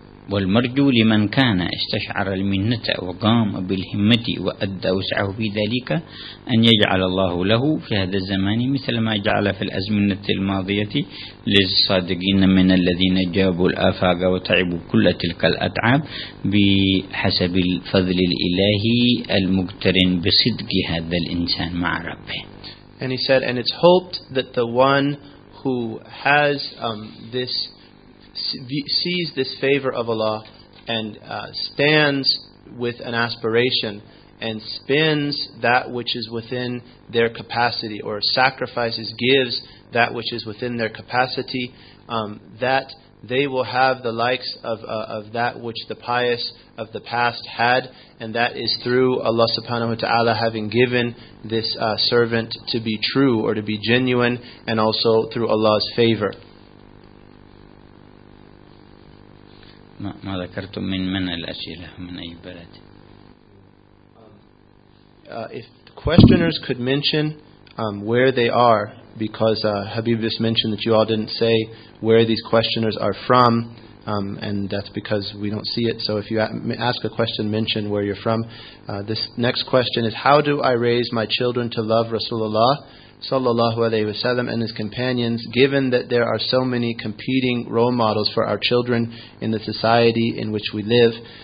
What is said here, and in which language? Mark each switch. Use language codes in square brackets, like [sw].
[ar] والمرجو لمن كان استشعر المنة وقام بالهمة وأدى وسعه في ذلك أن يجعل الله له في هذا الزمان مثل ما جعل في الأزمنة الماضية للصادقين من الذين جابوا الآفاق وتعبوا كل تلك الأتعاب بحسب الفضل الإلهي المقترن بصدق هذا الإنسان مع ربه. [en] And he said, and it's hoped that the one who has this sees this favor of Allah and stands with an aspiration and spends that which is within their capacity or sacrifices, gives that which is within their capacity, that they will have the likes of that which the pious of the past had, and that is through Allah subhanahu wa ta'ala having given this servant to be true or to be genuine, and also through Allah's favor. [ar] ما ذكرتم من الأسئلة من أي بلد؟ [en] If the questioners could mention where they are, because Habib just mentioned that you all didn't say where these questioners are from, and that's because we don't see it. So if you ask a question, mention where you're from. This next question is, how do I raise my children to love Rasulullah sallallahu alayhi wa sallam and his companions, given that there are so many competing role models for our children in the society in which we live?